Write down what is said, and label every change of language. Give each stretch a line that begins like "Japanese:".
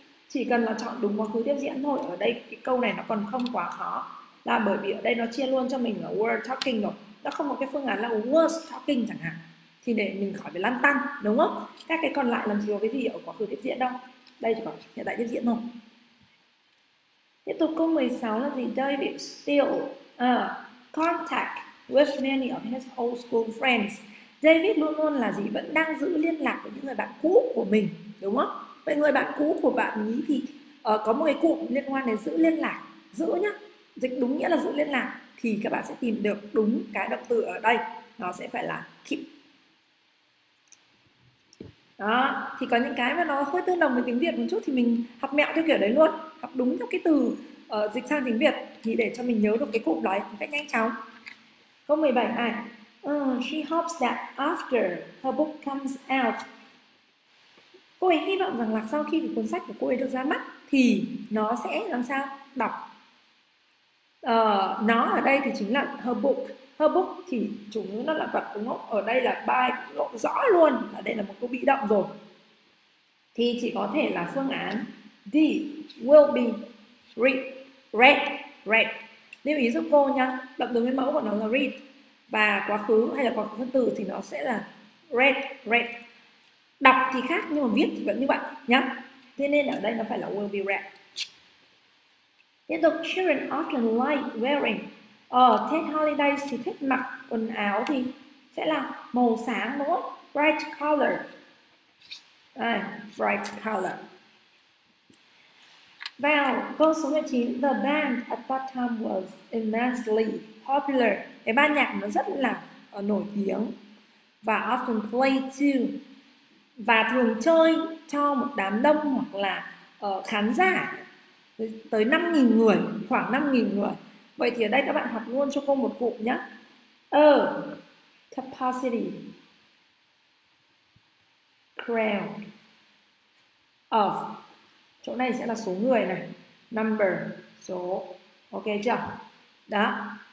Vietnamese: Chỉ cần là chọn đúng quá khứ tiếp diễn thôi. Ở đây cái câu này nó còn không quá khó, là bởi vì ở đây nó chia luôn cho mình là
English: were talking
Vietnamese: rồi, nó không có cái phương án là
English: was talking
Vietnamese: chẳng hạn, thì để mình khỏi phải lăn tăn đúng không. Các cái còn lại làm gì có cái gì ở quá khứ tiếp diễn đâu, đây chỉ còn hiện tại tiếp diễn thôi. Tiếp tục câu 16 là gì?
English: David still contact with many of his old school friends.
Vietnamese: David luôn luôn là gì, vẫn đang giữ liên lạc với những người bạn cũ của mình đúng không. Vậy người bạn cũ của bạn ý thì có một cái cụm liên quan đến giữ liên lạc, giữ nhá, dịch đúng nghĩa là giữ liên lạc, thì các bạn sẽ tìm được đúng cái động từ ở đây, nó sẽ phải là keep. Đó, thì có những cái mà nó hơi tương đồng với tiếng Việt một chút thì mình học mẹo theo kiểu đấy luôn, học đúng theo cái từ dịch sang tiếng Việt thì để cho mình nhớ được cái cụm đấy một cách nhanh chóng. Câu 17 này.
English: She hopes that after her book comes out.
Vietnamese: Cô ấy hy vọng rằng là sau khi cuốn sách của cô ấy được ra mắt thì nó sẽ làm sao? Đọc. Nó ở đây thì chính là
English: her book.
Vietnamese: Her book thì chủ ngữ nó là vật đúng không? Ở đây là by lộ rõ luôn là đây là một câu bị động rồi. Thì chỉ có thể là phương án D
English: will be read, read, read.
Vietnamese: Lưu ý giúp cô nha, động từ nguyên mẫu của nó là read và quá khứ hay là quá khứ phân từ thì nó sẽ là read, read. Đọc thì khác nhưng mà viết thì vẫn như vậy nhá. Thế nên ở đây nó phải là
English: will be read.
Vietnamese: Tiếp tục,
English: children often like wearing. Take holidays
Vietnamese: thì thích mặc quần áo thì sẽ là màu sáng đúng không?
English: Bright color. Bright color.
Vietnamese: Vào câu số 19,
English: the band at that time was immensely popular.
Vietnamese: Cái ban nhạc nó rất là nổi tiếng và
English: often play to
Vietnamese: và thường chơi cho một đám đông hoặc là khán giả tới 5.000 người, khoảng 5.000 người. Vậy thì ở đây các bạn học luôn cho cô một cụm nhé.
English: Capacity crowd of,
Vietnamese: chỗ này sẽ là số người này, number, số. Ok chưa? Đó.